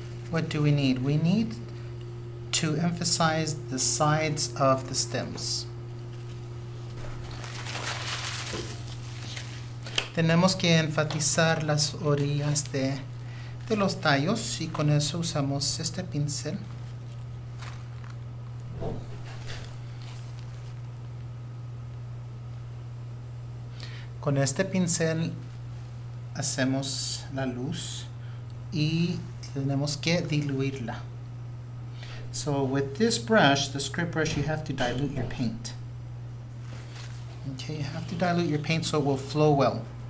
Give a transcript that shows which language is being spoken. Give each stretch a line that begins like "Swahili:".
English: What do we need? We need to emphasize the sides of the stems.
Spanish: Tenemos que enfatizar las orillas de los tallos, y con eso usamos este pincel. Con este pincel hacemos la luz y tenemos que diluirla.
English: So with this brush, the script brush, you have to dilute your paint. Okay, you have to dilute your paint so it will flow well.